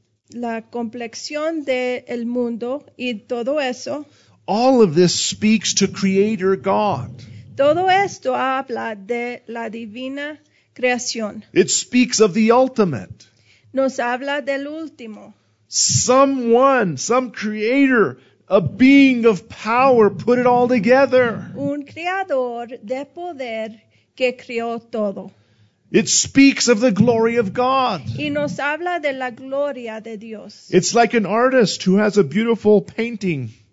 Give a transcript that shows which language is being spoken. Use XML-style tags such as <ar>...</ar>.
<es>La complexión del mundo y todo eso.</es> <en>All of this speaks to Creator God.</en> <es>Todo esto habla de la divina creación.</es> <en>It speaks of the ultimate.</en> <es>Nos habla del último.</es> <en>Someone, some creator, a being of power put it all together.</en> <es>Un creador de poder que creó todo.</es> <en>It speaks of the glory of God.</en> <es>Y nos habla de la gloria de Dios.</es> <en>It's like an artist who has a beautiful painting.</en>